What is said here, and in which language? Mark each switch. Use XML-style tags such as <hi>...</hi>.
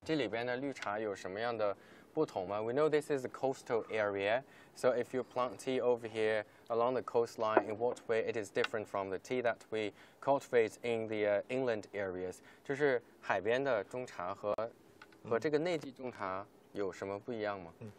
<zh>这里边的绿茶有什么样的不同吗?</zh> <en>We know this is a coastal area. So if you plant tea over here along the coastline, in what way it is different from the tea that we cultivate in the inland areas?</en> <zh>就是海边的中茶和这个内地中茶有什么不一样吗?</zh>